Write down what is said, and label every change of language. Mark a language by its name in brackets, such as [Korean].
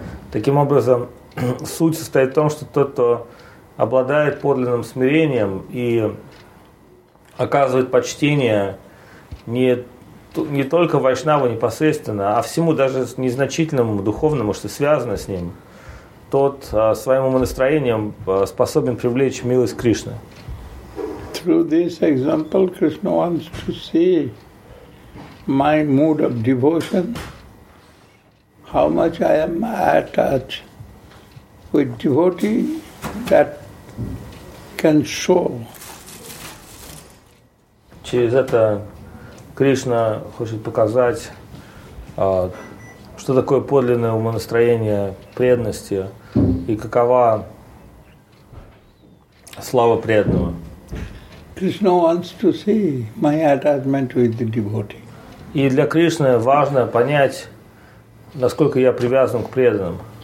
[Russian] Таким образом, суть состоит в том, что тот, кто обладает подлинным смирением и оказывает почтение не только Вайшнаву непосредственно, а всему даже незначительному духовному, что связано с ним, тот своим умонастроением способен привлечь милость Кришны. [English] Through this example, Krishna wants to see my mood of devotion, how much I am attached with devotee that can show. [Russian] Через это Кришна хочет показать, что такое подлинное умонастроение преданности и какова слава преданного. [English] Krishna wants to see my attachment with the devotee. [Russian] И для Кришны важно понять, насколько я привязан к преданным.